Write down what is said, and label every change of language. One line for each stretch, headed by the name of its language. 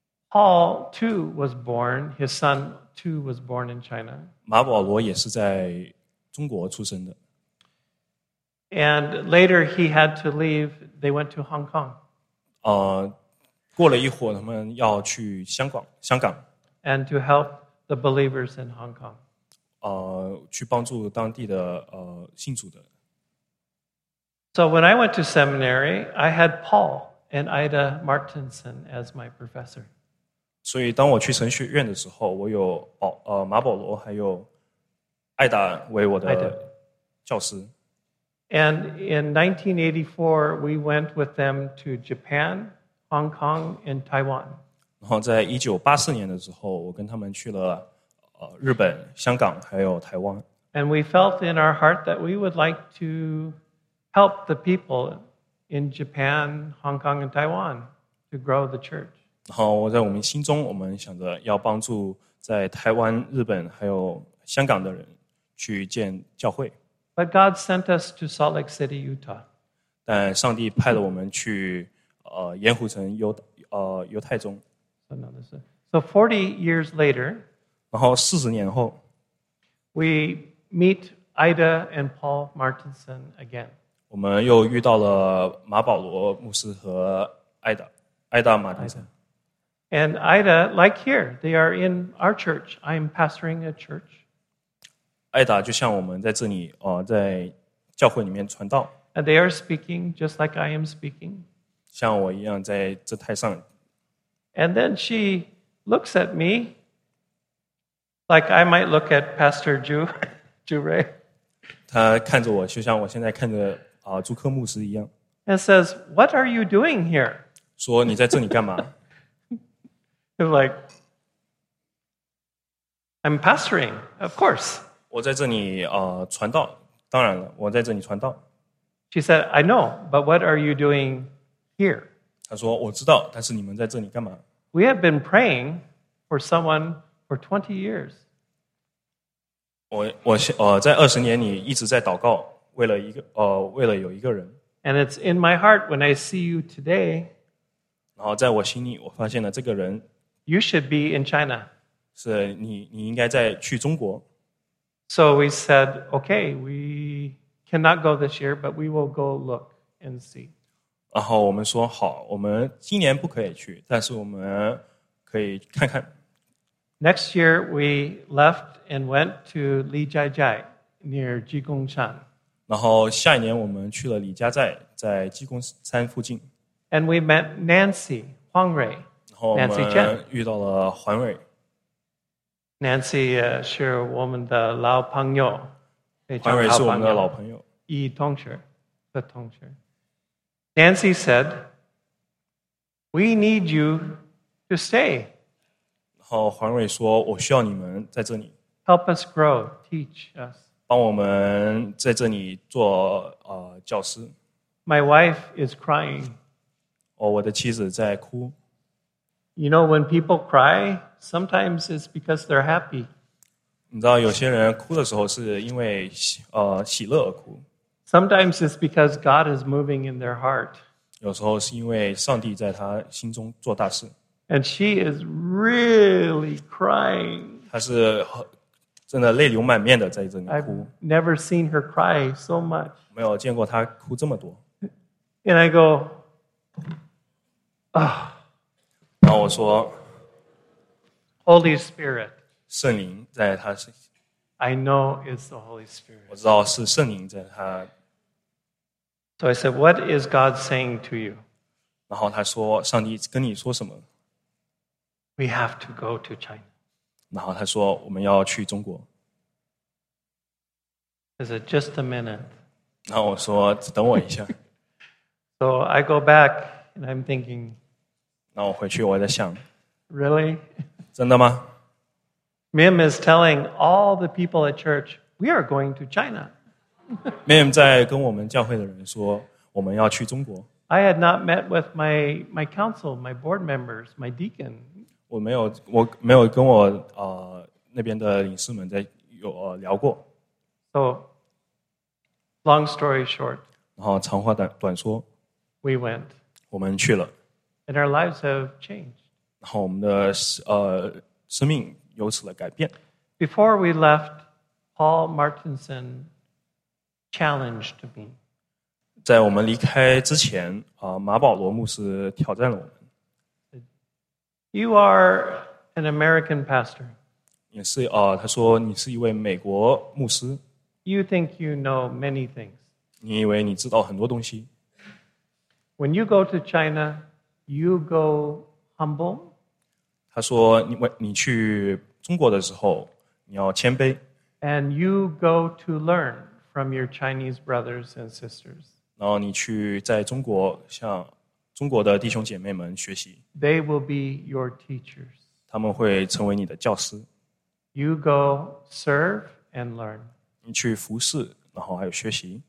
English: Paul too was born. His son too was born in China.
Chinese: 马保罗也是在中国出生的。
English: And later he had to leave. They went to Hong Kong.
Chinese: 过了一会儿，他们要去香港
English: ，and to help the believers in Hong Kong.
Chinese: 去帮助当地的信主的。
English: So when I went to seminary, I had Paul and Ida Martinson as my professor.
Chinese: 所以当我去神学院的时候，我有马保罗还有艾达为我的教师。
English: And in 1984, we went with them to Japan. Hong Kong and Taiwan.
Chinese: 然后在1984年的时候，我跟他们去了日本、香港还有台湾。
English: And we felt in our heart that we would like to help the people in Japan, Hong Kong, and Taiwan to grow the church.
Chinese: 然后我在我们心中，我们想着要帮助在台湾、日本还有香港的人去建教会。
English: But God sent us to Salt Lake City, Utah.
Chinese: 但上帝派了我们去盐湖城犹太中。
English: So 40 years later,
Chinese: 然后四十年后
English: we meet Ida and Paul Martinson again.
Chinese: 我们又遇到了马保罗牧师和艾达马丁森。
English: And Ida, like here, they are in our church. I am pastoring a church.
Chinese: 艾达就像我们在这里在教会里面传道。
English: And they are speaking just like I am speaking.
Chinese: 像我一样在这台上。
English: And then she looks at me like I might look at Pastor Ju Ray.
Chinese: 她看着我就像我现在看着朱克牧师一样。
English: And says, what are you doing here?
Chinese: 说你在这里干嘛？
English: Like, I'm pastoring, of course.
Chinese: 我在这里传道，当然了，我在这里传道。
English: She said, "I know, but what are you doing here?"
Chinese: 她说我知道，但是你们在这里干嘛
English: ？We have been praying for someone for 20 years.
Chinese: 我在二十年里一直在祷告，为了为了有一个人。
English: And it's in my heart when I see you today.
Chinese: 然后在我心里，我发现了这个人。
English: You should be in China.
Chinese: 是你应该再去中国。
English: So we said, okay, we cannot go this year, but we will go look and see.
Chinese: 然后我们说好，我们今年不可以去，但是我们可以看看。
English: Next year, we left and went to Li Jia Jai near Ji Gong Shan.
Chinese: 然后下一年我们去了李家寨，在济公山附近。
English: And we met Nancy Huang Rei. Nancy Chen.
Chinese: 我们遇到了环伟。 Nancy 是我们的老朋友。环伟是我们的老朋友。一同学。的同学。
English: Nancy said, we need you to stay.
Chinese: 然后环伟说我需要你们在这里。
English: Help us grow, teach us.
Chinese: 帮我们在这里做教师。
English: My wife is crying.
Chinese: 我的妻子在哭。
English: You know, when people cry, sometimes it's because they're happy.
Chinese: 你知道有些人哭的时候是因为喜乐而哭。
English: Sometimes it's because God is moving in their heart.
Chinese: 有时候是因为上帝在他心中做大事。
English: And she is really crying.
Chinese: 她是真的泪流满面的在这里哭。
English: I've never seen her cry so much.
Chinese: 没有见过她哭这么多。
English: And I go,
Chinese: 然后我说
English: ，Holy Spirit，
Chinese: 圣灵在他身。
English: I know it's the Holy Spirit。
Chinese: 我知道是圣灵在他。
English: So I said, "What is God saying to you?"
Chinese: 然后他说，上帝跟你说什么
English: ？We have to go to China。
Chinese: 然后他说，我们要去中国。
English: Is it just a minute?
Chinese: 然后我说，只等我一下。
English: So I go back and I'm thinking.
Chinese: 然后回去我在想
English: Really?
Chinese: 真的吗
English: Mim is telling all the people at church, we are going to China.
Chinese: Mim 在跟我们教会的人说我们要去中国。
English: I had not met with my council, my board members, my deacon.
Chinese: 我没有跟我那边的领事们在有聊过。
English: So, long story short.
Chinese: 然后长话短说。
English: We went.
Chinese: 我们去了。
English: And our lives have changed.
Chinese: 然后我们的生命由此了改变。
English: Before we left, Paul Martinson challenged me.
Chinese: 在我们离开之前，马保罗牧师挑战了我们。
English: You are an American pastor.
Chinese: 也是他说你是一位美国牧师。
English: You think you know many things.
Chinese: 你以为你知道很多东西。
English: When you go to China. You go humble.
Chinese: 他说你去中国的时候你要谦卑。
English: And you go to learn from your Chinese brothers and sisters.
Chinese: 然后你去在中国向中国的弟兄姐妹们学习。
English: They will be your teachers.
Chinese: 他们会成为你的教师。
English: You go serve and learn.
Chinese: 你去服侍然后还有学习。